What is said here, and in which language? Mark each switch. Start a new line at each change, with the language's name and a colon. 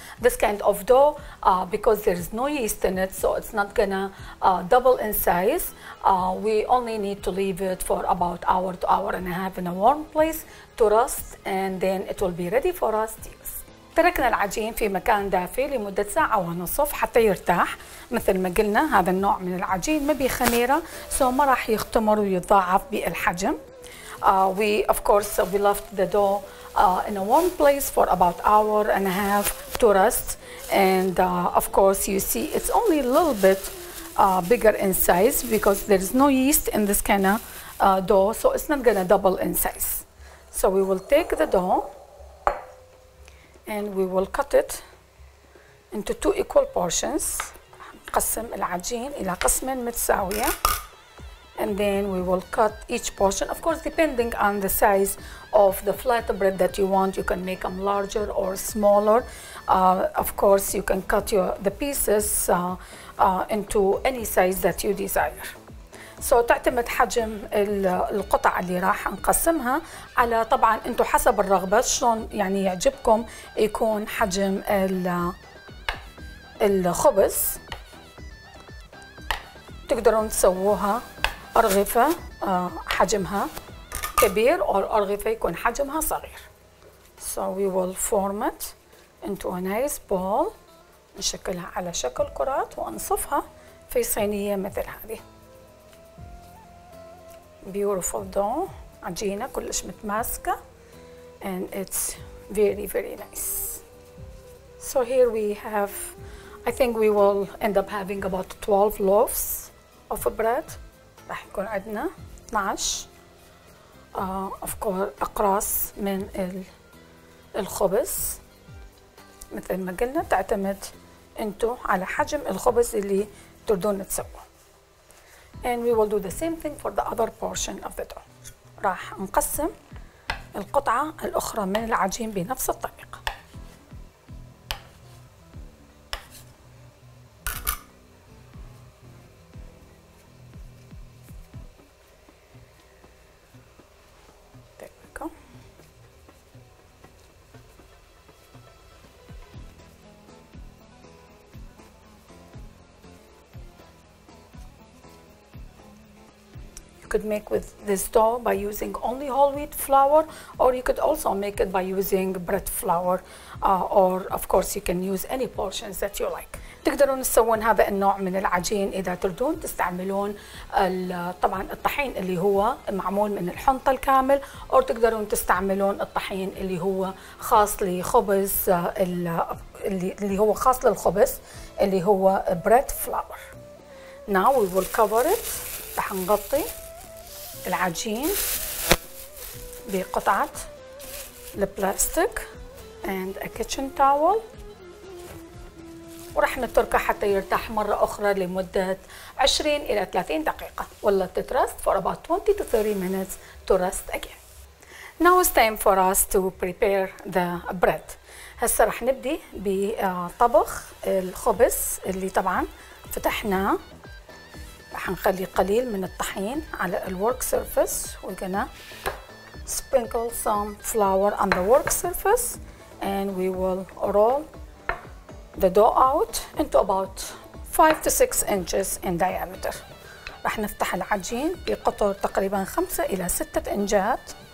English: This kind of dough because there is no yeast in it, so it's not gonna double in size. We only need to leave it for about hour to hour and a half in a warm place to rust, and then it will be ready for us to use.
Arabic: تركنا العجين في مكان دافئ لمدة ساعة ونصف حتى يرتاح. مثل ما قلنا هذا النوع من العجين ما بيه خميرة، سو ما راح يختمر ويتضاعف بالحجم.
English: We of course we left the dough in a warm place for about hour and a half to rust, and of course you see it's only a little bit bigger in size because there is no yeast in this kind of dough, so it's not gonna double in size. So we will take the dough and we will cut it into two equal portions.
Arabic: نقسم العجين إلى قسمين متساوية.
English: And then we will cut each portion. Of course, depending on the size of the flat bread that you want, you can make them larger or smaller. Of course, you can cut the pieces into any size that you desire.
Arabic: سو تعتمد حجم القطع اللي راح نقسمها على طبعا انتم حسب الرغبه شلون يعني يعجبكم يكون حجم الخبز. تقدرون تسووها ارغفه حجمها كبير او ارغفه يكون حجمها صغير.
English: So we will form it into a nice ball.
Arabic: نشكلها على شكل كرات ونصفها في صينية مثل هذه.
English: Beautiful dough.
Arabic: عجينة كلش متماسكة.
English: And it's very very nice. So here we have, I think we will end up having about 12 loaves of bread.
Arabic: راح يكون عندنا 12
English: of course
Arabic: أقراص من الخبز. مثل ما قلنا تعتمد انتو على حجم الخبز اللي تردون تسووه.
English: And we will do the same thing for the other portion of the dough.
Arabic: راح نقسم القطعة الأخرى من العجين بنفس الطريقة.
English: You could make with this dough by using only whole wheat flour, or you could also make it by using bread flour, or of course you can use any portions that you like.
Arabic: تقدرون تسوون هذا النوع من العجين إذا تردون تستعملون طبعا الطحين اللي هو معمول من الحنطة الكامل، أو تقدرون تستعملون الطحين اللي هو خاص لخبز اللي هو خاص للخبز اللي هو bread flour.
English: Now we will cover it.
Arabic: راح نغطي العجين بقطعة البلاستيك
English: and a kitchen towel
Arabic: ورح نتركه حتى يرتاح مرة أخرى لمدة 20 إلى 30 دقيقة ولا تترست
English: for about 20 to 30 minutes to rest again. Now it's time for us to prepare the bread.
Arabic: هسا رح نبدي بطبخ الخبز اللي طبعا فتحناه. راح نخلي قليل من الطحين على الورك سيرفيس.
English: We're gonna sprinkle some flour on the work surface and we will roll the dough out into about 5 to 6 inches in diameter.
Arabic: راح نفتح العجين بقطر تقريبا 5 الى 6 انجات.